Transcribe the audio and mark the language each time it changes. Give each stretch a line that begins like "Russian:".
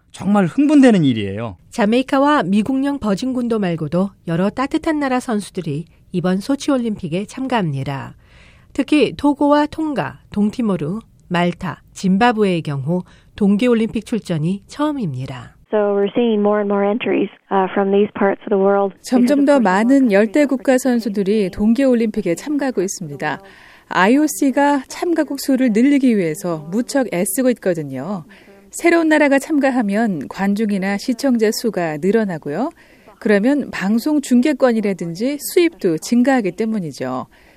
Korean: 정말 흥분되는 일이에요. 자메이카와 미국령 버진군도 말고도 여러 따뜻한 나라 선수들이 이번 소치올림픽에 참가합니다. 특히 토고와 통가, 동티모르, 말타, 짐바브웨의 경우 동계올림픽 출전이 처음입니다.
English: So we're seeing more and more entries from these parts of the world.
Korean: 점점 더 많은 열대 국가 선수들이 동계 올림픽에 참가하고 있습니다. IOC가 참가국 수를 늘리기 위해서 무척 애쓰고 있거든요. 새로운 나라가 참가하면 관중이나 시청자 수가 늘어나고요. 그러면 방송 중계권이라든지 수입도 증가하기 때문이죠.